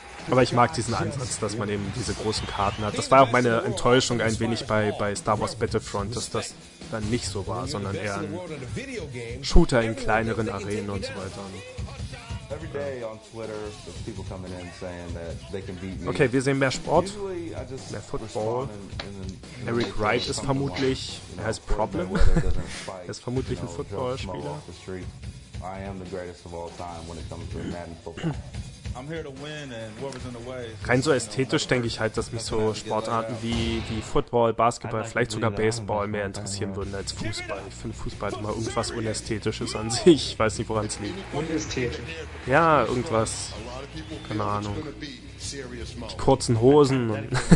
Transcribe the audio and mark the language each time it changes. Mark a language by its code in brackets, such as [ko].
[de] Aber ich mag diesen Ansatz, dass man eben diese großen Karten hat. Das war auch meine Enttäuschung ein wenig bei Star Wars Battlefront, dass das dann nicht so war, sondern eher ein Shooter in kleineren Arenen und so weiter. Okay, wir sehen mehr Sport, mehr Football. Eric Wright ist vermutlich, er heißt Problem, er ist vermutlich ein Footballspieler. [en] I am the greatest of all time when it comes to Madden football. I'm here to win and what was in the way. [de] Rein so ästhetisch denke ich halt, dass mich so Sportarten wie Football, Basketball, vielleicht sogar Baseball mehr interessieren würden als Fußball. Ich finde Fußball immer irgendwas Unästhetisches an sich. Ich weiß nicht, woran es liegt. Unästhetisch? Ja, irgendwas. Keine Ahnung. Die kurzen Hosen.